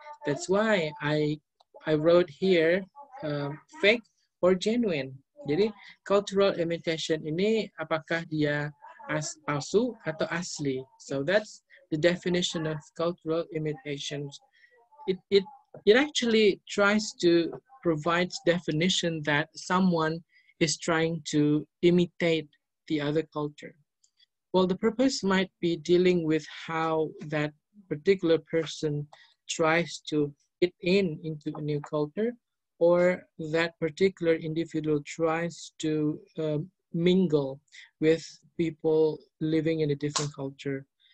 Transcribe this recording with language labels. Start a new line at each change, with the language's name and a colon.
English: That's why I wrote here fake or genuine.
Indonesian: Jadi cultural imitation ini apakah dia palsu atau asli?
English: So that's the definition of cultural imitation. It actually tries to provide definition that someone is trying to imitate the other culture. Well, the purpose might be dealing with how that particular person tries to fit in into a new culture, or that particular individual tries to mingle with people living in a different culture.